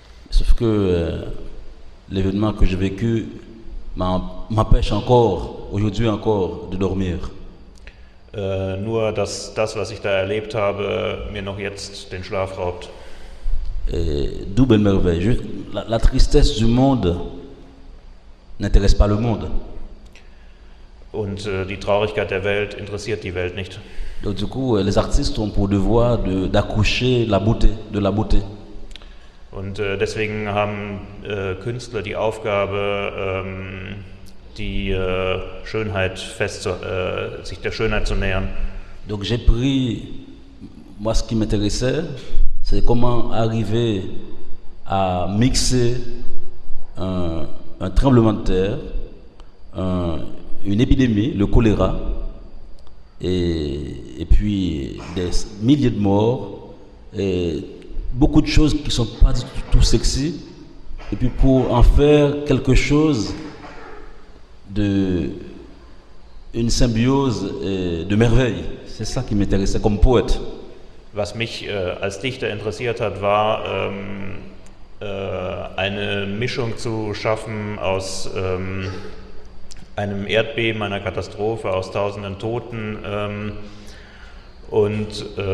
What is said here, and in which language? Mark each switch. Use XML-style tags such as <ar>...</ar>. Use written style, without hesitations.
<fr>Sauf que l'événement que j'ai vécu m'empêche encore, aujourd'hui encore, de dormir.</fr> <de>Nur dass das, was ich da erlebt habe, mir noch jetzt den Schlaf raubt.</de> <fr>Double merveille. La tristesse du monde n'intéresse pas le monde.</fr> <de>Und die Traurigkeit der Welt interessiert die Welt nicht.</de> <fr>Donc, du coup, les artistes ont pour devoir d'accoucher la beauté, de la beauté.</fr> <de>Und deswegen haben Künstler die Aufgabe, sich der Schönheit zu nähern.</de> <fr>Donc j'ai pris moi ce qui m'intéressait. C'est comment arriver à mixer un tremblement de terre, une épidémie, le choléra, et puis des milliers de morts, et beaucoup de choses qui ne sont pas du tout sexy, et puis pour en faire quelque chose d'une symbiose de merveille. C'est ça qui m'intéressait comme poète.</fr> <de>Was mich als Dichter interessiert hat, war eine Mischung zu schaffen aus einem Erdbeben, einer Katastrophe, aus tausenden Toten und</de>